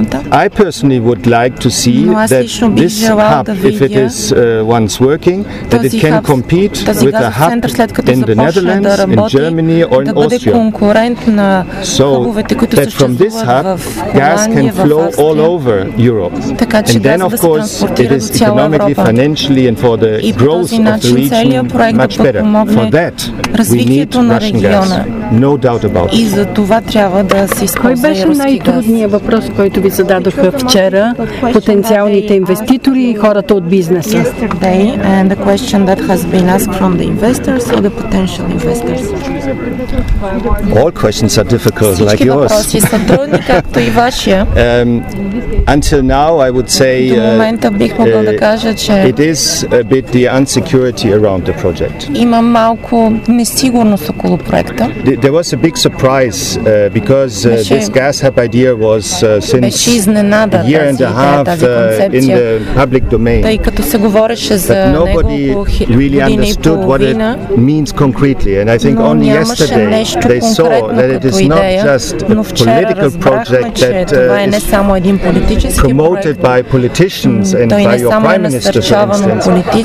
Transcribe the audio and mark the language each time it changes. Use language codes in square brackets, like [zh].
[en] I personally would like to see that this hub, if it is once working, that it can compete with the hub in the Netherlands, in Germany or in Austria. So that from this hub, gas can flow all over Europe. And then, of course, it is economically, financially and for the growth of the region much better. For that, we need Russian gas. No doubt about it. [bg] И за това трябва да се използва. Кой беше най-трудният въпрос, който ви зададоха вчера потенциалните инвеститори и хората от бизнеса? [en] Yesterday, and the question that has been asked from the investors or the potential investors. All questions are difficult, like yours. [bg] Всички въпроси са трудни, както и вашия. [en] Until now, I would say, [bg] до момента бих могъл да кажа, че [en] it is a bit the insecurity around the project. [bg] Има малко несигурност около проекта. [en] There was a big surprise because this gas hub idea was since a year and a half in the public domain. But nobody really understood what it means concretely. And I think only yesterday they saw that it is not just a political project that is promoted by politicians and by your prime minister, for instance.